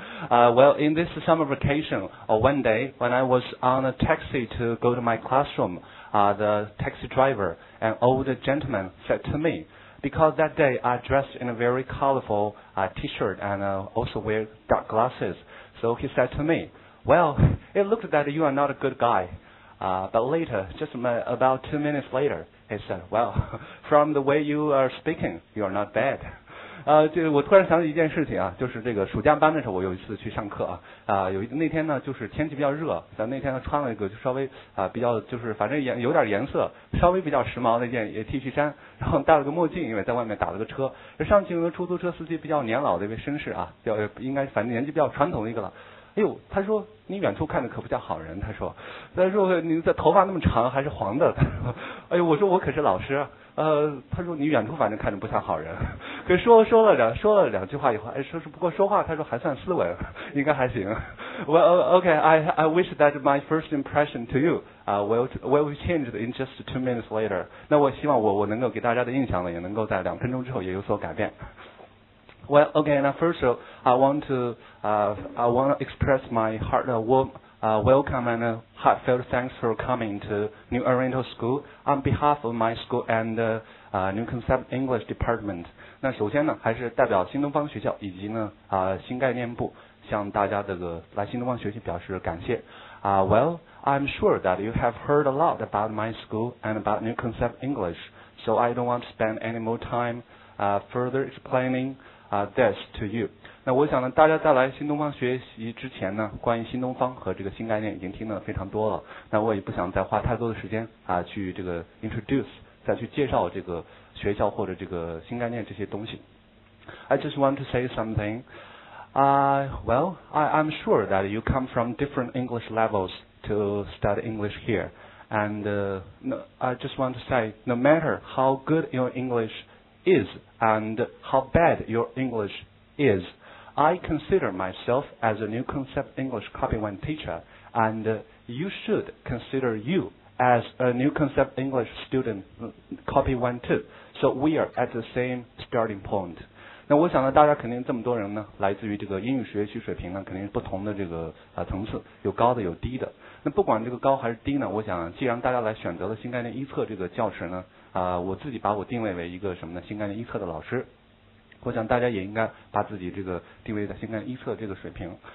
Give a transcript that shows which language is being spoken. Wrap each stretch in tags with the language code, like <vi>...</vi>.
<en>Well, in this summer vacation, or one day, when I was on a taxi to go to my classroom, the taxi driver, an old gentleman, said to me, because that day I dressed in a very colorful t-shirt and also wear dark glasses, so he said to me, well, it looked that you are not a good guy. But later, just about 2 minutes later, he said, well, from the way you are speaking, you are not bad.</en> <zh>就我突然想起一件事情啊，就是这个暑假班的时候，我有一次去上课啊，那天呢，就是天气比较热，咱那天呢穿了一个就稍微比较就是反正有点颜色，稍微比较时髦的一件 T 恤衫，然后戴了个墨镜，因为在外面打了个车。上去一个出租车司机比较年老的一位绅士啊，应该反正年纪比较传统的一个了。哎呦，他说你远处看的可不叫好人，他说你的头发那么长还是黄的，他说，哎呦，我说我可是老师。他说你远处反正看着不像好人，可说了两句话以后，哎，不过说话他说还算斯文，应该还行。</zh> <en>Well, okay, I wish that my first impression to you will change in just 2 minutes later.</en> <zh>那我希望我能够给大家的印象呢，也能够在两分钟之后也有所改变。</zh> <en>Well, okay, now first of all, I want to express my heart warm welcome and heartfelt thanks for coming to New Oriental School on behalf of my school and New Concept English Department.</en> <zh>那首先呢，还是代表新东方学校以及呢新概念部向大家这个来新东方学习表示感谢。</zh> <en>Well, I'm sure that you have heard a lot about my school and about New Concept English, so I don't want to spend any more time further explaining. This to you.</en> <zh>那我想呢，大家在来新东方学习之前呢，关于新东方和这个新概念已经听得非常多了。那我也不想再花太多的时间去这个</zh> <en>introduce，</en> <zh>再去介绍这个学校或者这个新概念这些东西。</zh> <en>I just want to say something. Well, I'm sure that you come from different English levels to study English here. And I just want to say, no matter how good your English is and how bad your English is, I consider myself as a New Concept English Copy One teacher, and you should consider you as a New Concept English student Copy One too. So we are at the same starting point.</en> <zh>那我想呢，大家肯定这么多人呢，来自于这个英语学习水平呢，肯定是不同的这个层次，有高的有低的。那不管这个高还是低呢，我想既然大家来选择了新概念一册这个教程呢，我自己把我定位为一个什么呢？新概念一册的老师，我想大家也应该把自己这个定位在新概念一册这个水平。</zh>